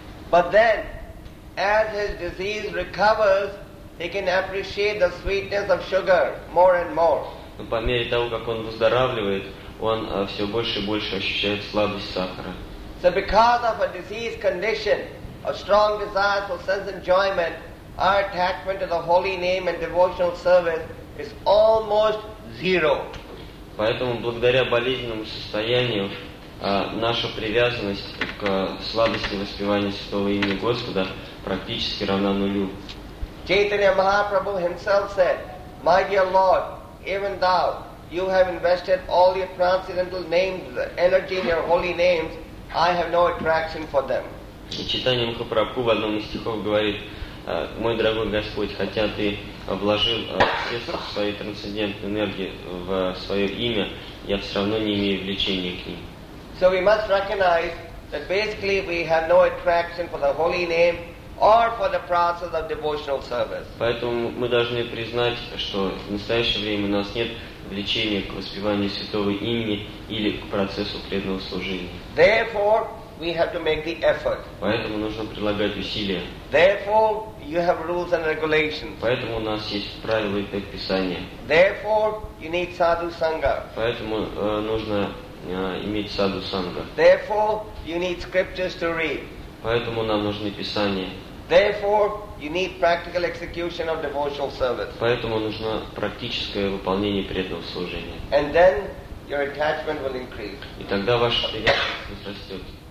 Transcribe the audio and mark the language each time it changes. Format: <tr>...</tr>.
<en>But then, as his disease recovers, he can appreciate the sweetness of sugar more and more.</en> <ru>Но по мере того, как он выздоравливает, он все больше и больше ощущает сладость сахара.</ru> <en>So because of a disease condition, a strong desire for sense enjoyment, our attachment to the holy name and devotional service is almost zero.</en> <ru>Поэтому благодаря болезненному состоянию наша привязанность к сладости воспевания святого имени Господа практически равна нулю.</ru> <en>Chaitanya Mahaprabhu himself said, "My dear Lord, even thou, you have invested all your transcendental names, the energy in your holy names. I have no attraction for them."</en> <ru>Читание Махапрабху в одном из стихов говорит: "Мой дорогой Господь, хотя ты вложил все свои трансцендентные энергии в свое имя, я все равно не имею влечения к ним."</ru> <en>So we must recognize that basically we have no attraction for the holy name or for the process of devotional service.</en> <ru>Поэтому мы должны признать, что в настоящее время у нас нет влечения к воспеванию святого имени или к процессу преданного служения.</ru> <en>Therefore, we have to make the effort.</en> <ru>Поэтому нужно прилагать усилия.</ru> <en>Therefore, you have rules and regulations.</en> <ru>Поэтому у нас есть правила и предписания.</ru> <en>Therefore, you need sadhu sangha.</en> <ru>Поэтому нужно иметь sadhu sangha.</ru> <en>Therefore, you need scriptures to read.</en> <ru>Поэтому нам нужны писания.</ru> <en>Therefore, you need practical execution of devotional service.</en> <ru>Поэтому нужно практическое выполнение преданного служения.</ru> <en>And then your attachment will increase.</en> <ru>И тогда ваша привязанность возрастет.</ru>